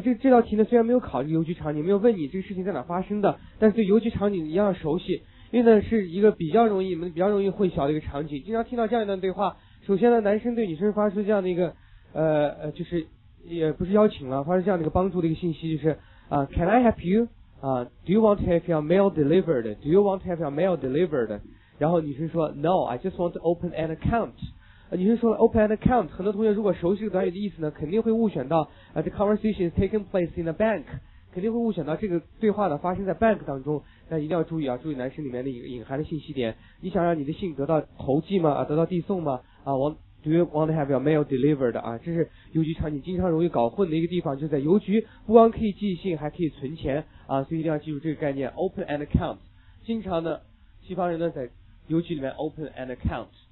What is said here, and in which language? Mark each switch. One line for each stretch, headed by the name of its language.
Chinese: 这道题呢虽然没有考虑邮局场景，没有问你这个事情在哪发生的，但是对邮局场景一样熟悉，因为呢是一个比较容易你们比较容易混淆的一个场景。经常听到这样一段对话，首先呢男生对女生发出这样的一个就是也不是邀请了，发出这样的一个帮助的一个信息，就是啊 ，
English: Can I help you？ Do you want to have your mail delivered? Do you want to have your mail delivered?
Chinese: 然后女生说
English: No, I just want to open an account.
Chinese: 女生说
English: open an account.
Chinese: 很多同学如果熟悉短语的意思呢，肯定会误选到、
English: the conversation is taking place in a bank.
Chinese: 肯定会误选到这个对话呢发生在 bank 当中。那一定要注意啊，注意男生里面的隐含的信息点。你想让你的信得到投寄吗？得到递送吗？
English: Do you want to have your mail delivered?
Chinese: 啊，这是邮局场景经常容易搞混的一个地方，就在邮局，不光可以寄信，还可以存钱啊，所以一定要记住这个概念 ，
English: open an account。
Chinese: 经常呢，西方人呢在邮局里面
English: open an account。